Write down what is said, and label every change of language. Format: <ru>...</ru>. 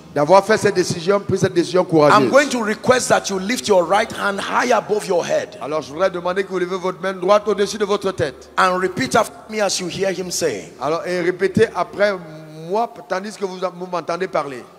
<fr>D'avoir fait cette décision, pris cette décision courageuse.</fr> <en>I'm going to request that you lift your right hand high above your head.</en> <fr>Alors je voudrais demander que vous levez votre main droite au-dessus de votre tête.</fr> <en>And repeat after me as you hear him say.</en> <fr>Alors et répétez après moi tandis que vous m'entendez parler.</fr>